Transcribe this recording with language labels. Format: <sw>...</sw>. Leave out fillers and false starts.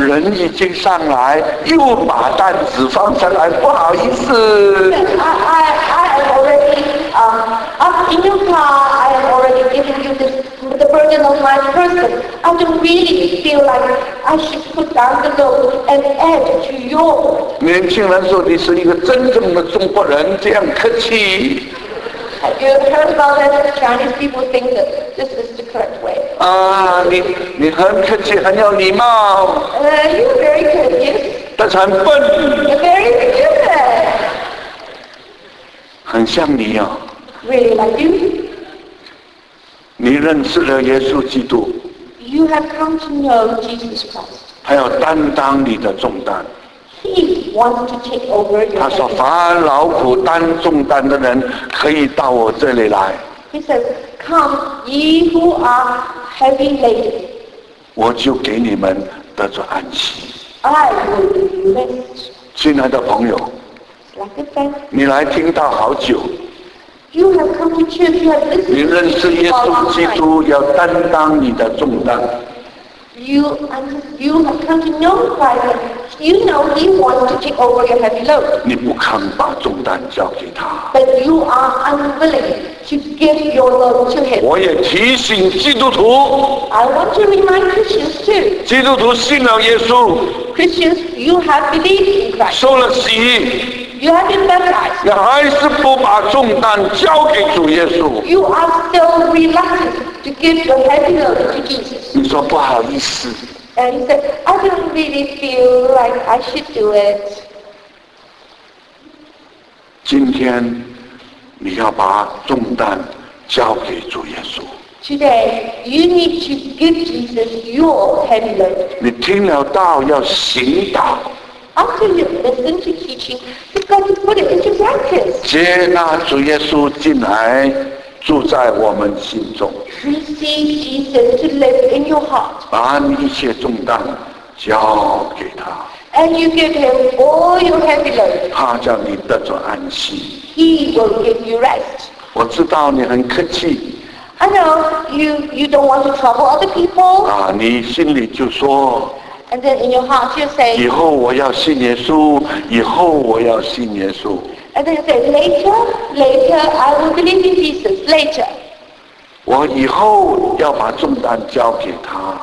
<zh>人已经上来，又把担子放下来，不好意思。</zh> <en>I am already up in your car. I am already giving you the burden of my person. I don't really feel like I should put down the load and add to yours.</en> <zh>年轻人说你是一个真正的中国人，这样客气。</zh> <en>Have you heard about that? Chinese people think that this is the correct way.</en> <zh>啊，你很客气，很有礼貌。</zh> <en>You're very courteous.</en> <zh>但是很笨。</zh> <en>You're very stupid.</en> <zh>很像你哦。</zh> <en>Really like you?</en> <zh>你认识了耶稣基督。</zh> <en>You have come to know Jesus Christ.</en> <zh>他要担当你的重担。</zh> <en>He wants to take over your.</en> <zh>他说：“凡劳苦担重担的人，可以到我这里来。”</zh> <en>He says, "Come, ye who are heavy laden."</en> <zh>我就给你们得着安息。</zh> <en>I will give you rest.</en> <zh>亲爱的朋友，</zh> <en>like a friend,</en> <zh>你来听到好久。</zh> <en>You have come to church, you have listened to me.</en> <zh>你认识耶稣基督，要担当你的重担。</zh> <en>You have come to know Christ. You know he wants to take over your heavy load.</en> <zh>你不肯把重担交给他。</zh> <en>But you are unwilling to give your load to him.</en> <zh>我也提醒基督徒。</zh> <en>I want to remind Christians too.</en> <zh>基督徒信了耶稣。</zh> <en>Christians, you have believed in Christ.</en> <zh>受了洗礼。</zh> <en>You have been baptized.</en> <zh>你还是不把重担交给主耶稣。</zh> <en>You are still reluctant to give your heavy load to Jesus.</en> <zh>你说不好意思。</zh> <en>And he said, I don't really feel like I should do it.</en> <zh>今天你要把重担交给主耶稣。</zh> <en>Today, you need to give Jesus your heavy load.</en> <zh>你听了道要行道。</zh> <en>After you listen to teaching, you've got to put it into practice.</en> <zh>接纳主耶稣进来，住在我们心中。</zh> <en>Receive Jesus to live in your heart.</en> <zh>把你一切重担交给他。</zh> <en>And you give him all your heavy load.</en> <zh>他叫你得着安息。</zh> <en>He will give you rest.</en> <zh>我知道你很客气。</zh> <en>I know you don't want to trouble other people.</en> <zh>啊，你心里就说。</zh> <en>And then in your heart you say,</en> <zh>以后我要信耶稣，以后我要信耶稣。</zh> <en>And then you say, later, I will believe in Jesus, later.</en> <zh>我以后要把重担交给他。</zh>